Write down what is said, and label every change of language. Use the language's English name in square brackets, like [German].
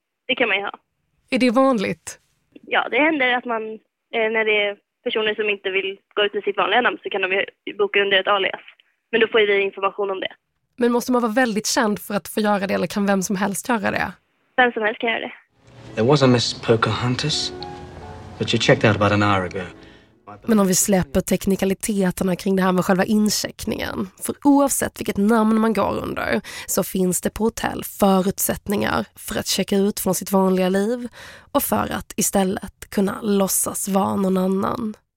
[Swedish] Det kan man ju ha. Är det vanligt? Ja, det händer att man, när det är personer som inte vill gå ut med sitt vanliga namn så kan de ju boka under ett alias. Men då får vi information om det. Men måste man vara väldigt känd för att få göra det eller kan vem som helst göra det? Vem som helst kan göra det. [English] There was a Miss Pocahontas, but you checked out about an hour ago. [Swedish] Men om vi släpper teknikaliteterna kring det här med själva incheckningen, för oavsett vilket namn man går under så finns det på hotell förutsättningar för att checka ut från sitt vanliga liv och för att istället kunna låtsas vara någon annan.